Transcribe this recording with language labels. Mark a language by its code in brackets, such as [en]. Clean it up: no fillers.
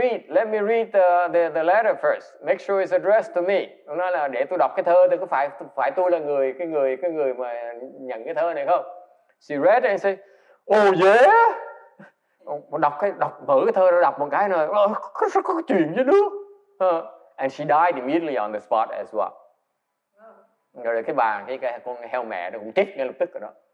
[en] Let me read the letter first. Make sure it's addressed to me. [vi] Nó nói là, để tôi đọc cái thơ, thì có phải tôi là người mà nhận cái thơ này không? [en] She read and say, oh yeah. [vi] Đọc mở cái thơ, đọc một cái nói, có chuyện chứ đứa. [en] And she died immediately on the spot as well. [vi] Rồi cái bà, cái con heo mẹ nó cũng chết ngay lập tức rồi đó.